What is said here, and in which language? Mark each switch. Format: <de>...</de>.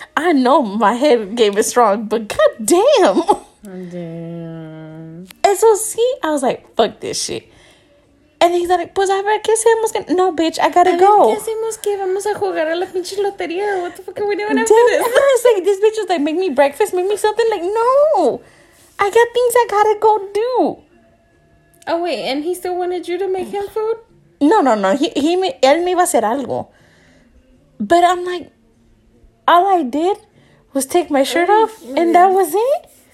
<en>I know my head game is strong, but god damn.</en> <es>Eso sí,</es> <en>I was like, fuck this shit. And he's like,</en> <es>pues a ver, ¿qué hacemos?</es> <en>No, bitch, I gotta go.</en> <es>¿Qué hacemos? ¿Qué vamos a jugar a la pinche lotería?</es> <en>What the fuck are we doing after this? I was like, this bitch was like, make me breakfast, make me something. Like, no. I got things I gotta go do. Oh, wait, and he still wanted you to make him food?</en> <es>No. Él me iba a hacer algo.</es> <en>But I'm like, all I did was take my shirt off, and that was it?</en>